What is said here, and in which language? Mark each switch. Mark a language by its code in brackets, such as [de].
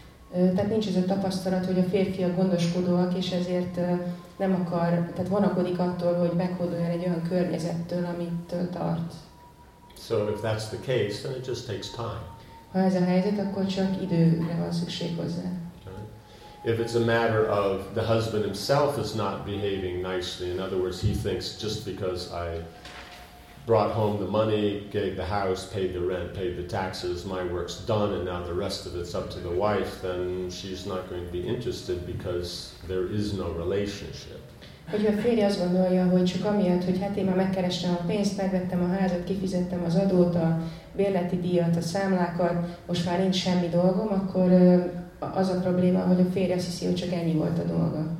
[hu] Tehát nincs ez a tapasztalat, hogy a férfiak gondoskodóak, és ezért nem akar, tehát vonakodik attól, hogy meghódoljon egy olyan környezettől, amit tart. [en] So if that's the case, then it just takes time. [hu] Ha ez a helyzet, akkor csak időre van szükség hozzá. [en] If it's a matter of the husband himself is not behaving nicely, in other words, he thinks just because I brought home the money, gave the house, paid the rent, paid the taxes, my work's done, and now the rest of it's up to the wife, then she's not going to be interested because there is no relationship. [hu] Hogyha a férje azt gondolja, hogy csak amiatt, hogy hát én már megkerestem a pénzt, megvettem a házat, kifizettem az adót, a bérleti díjat, a számlákat, most már nincs semmi dolgom, akkor az a probléma, hogy a férje azt hiszi, hogy csak ennyi volt a dolga.